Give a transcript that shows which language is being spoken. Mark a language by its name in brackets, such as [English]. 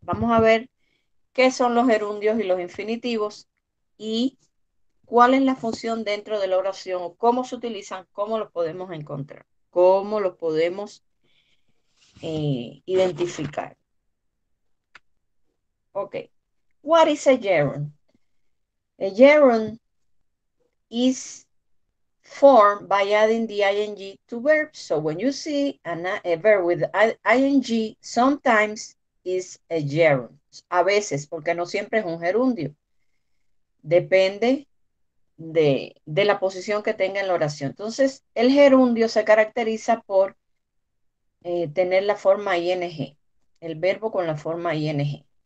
[Spanish] Vamos a ver qué son los gerundios y los infinitivos y cuál es la función dentro de la oración, o cómo se utilizan, cómo los podemos encontrar, cómo los podemos identificar. [English] Ok. What is a gerund? A gerund is formed by adding the ing to verbs. So when you see a verb with ing, sometimes is a gerund. [Spanish] A veces, porque no siempre es un gerundio. Depende de la posición que tenga en la oración. Entonces, el gerundio se caracteriza por tener la forma ing, el verbo con la forma ing.